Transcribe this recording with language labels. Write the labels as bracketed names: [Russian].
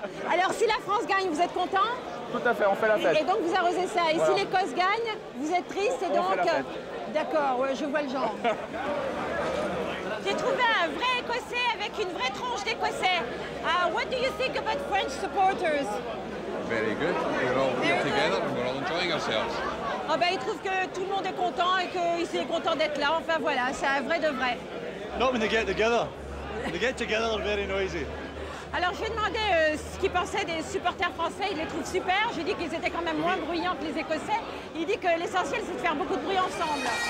[French] Alors, si la France gagne, vous êtes content? Tout à fait, on fait la fête. Et donc, vous arrosez ça. Et voilà. Si l'Écosse gagne, vous êtes triste, et donc... On fait la fête. D'accord, ouais, je vois le genre. J'ai trouvé un vrai Écossais avec une vraie tronche d'Écossais. [English] What do you think about French supporters? Very good. We're all here together and we're all enjoying ourselves. [French] Ah ben, il trouve que tout le monde est content et qu'il est content d'être là. Enfin voilà, c'est un vrai de vrai. [English] Not when they get together. When they get together, they're very noisy. [French] Alors, j'ai demandé ce qu'ils pensaient des supporters français. Ils les trouvent super. J'ai dit qu'ils étaient quand même moins bruyants que les Écossais. Il dit que l'essentiel, c'est de faire beaucoup de bruit ensemble.